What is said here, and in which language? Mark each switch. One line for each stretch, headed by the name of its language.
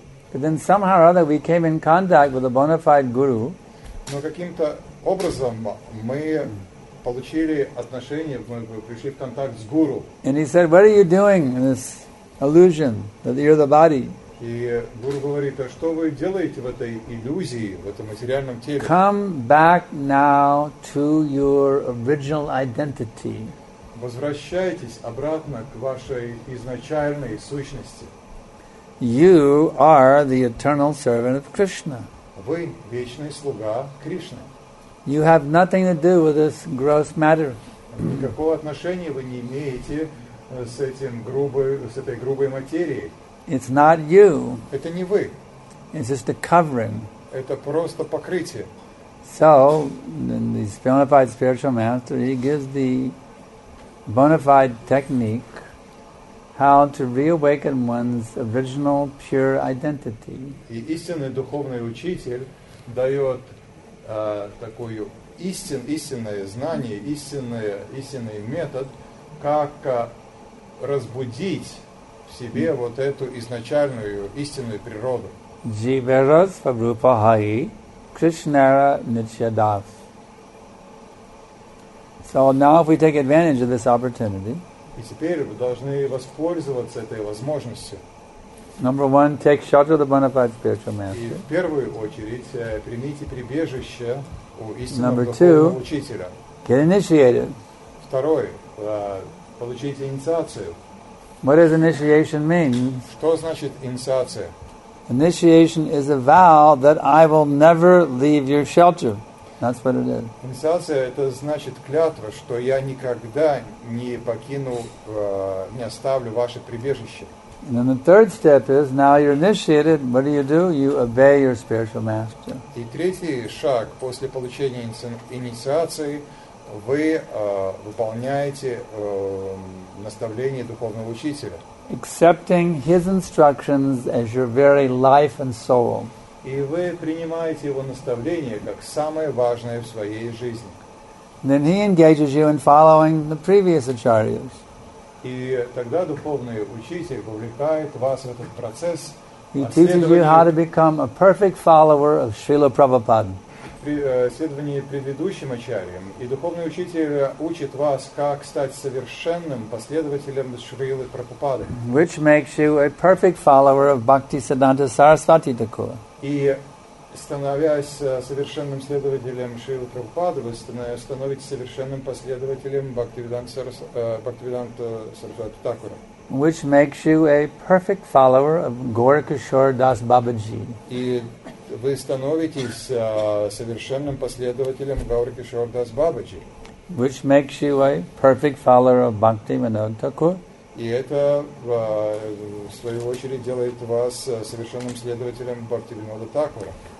English: But then somehow or other we came in contact with a bona fide guru.
Russian: Но каким-то образом мы получили отношение, мы пришли в контакт с гуру.
English: And he said, "What are you doing in this illusion that you're the body?"
Russian: И гуру говорит, а что вы делаете в этой иллюзии, в этом материальном теле?
English: Come back now to your original identity.
Russian: Возвращайтесь обратно к вашей изначальной сущности.
English: You are the eternal servant of Krishna.
Russian: Вы вечный слуга Кришны.
English: You have nothing to do with this gross matter.
Russian: Никакого отношения вы не имеете с этим грубой, с этой грубой материей.
English: It's not you.
Russian: Это не вы.
English: It's just a covering.
Russian: Это просто покрытие.
English: So, then the bona fide spiritual master, he gives the bona fide technique how to reawaken one's original pure identity.
Russian: И истинный духовный учитель дает такую истинное знание, истинный метод, как разбудить себе вот эту изначальную истинную природу.
Bangla: Jivaras Vrupahai Krishnara Nityadas.
English: So now if we take advantage of this opportunity.
Russian: И теперь вы должны воспользоваться этой возможностью.
English: Number one, take shelter of the bona fide spiritual master.
Russian: И в первую очередь примите прибежище у истинного духовного учителя.
English: Get initiated.
Russian: Второе, получите инициацию.
English: What does initiation mean?
Russian: Что значит инициация?
English: Initiation is a vow that I will never leave your shelter. That's what it is.
Russian: Инициация – это значит клятва, что я никогда не покину, не оставлю ваше прибежище.
English: And then the third step is, now you're initiated, what do? You obey your spiritual master.
Russian: И третий шаг после получения инициации – вы выполняете наставление духовного учителя.
English: Accepting his instructions as your very life and soul.
Russian: И вы принимаете его наставления как самое важное в своей жизни.
English: Then he engages you in following the previous acharyas.
Russian: И тогда духовный учитель вовлекает вас в этот процесс.
English: He teaches you how to become a perfect follower of Srila Prabhupada.
Russian: Следование предыдущим ачарьям, и духовный учитель учит вас, как стать совершенным последователем Шрилы Прабхупады.
English: Which makes you a perfect follower of Bhaktisiddhanta Sarasvati Thakur.
Russian: И становясь совершенным следователем Шрилы Прабхупады, вы становитесь совершенным последователем Бхактивиданта Сарасвати Такура.
English: Which makes you a perfect follower of Gaurakishore Das Babaji.
Russian: И вы становитесь совершенным последователем Gaurakishore Das Babaji.
English: Which makes you a perfect follower of Bhaktivinoda Thakur.
Russian: И это, в свою очередь, делает вас совершенным следователем Бхактивинода Такура.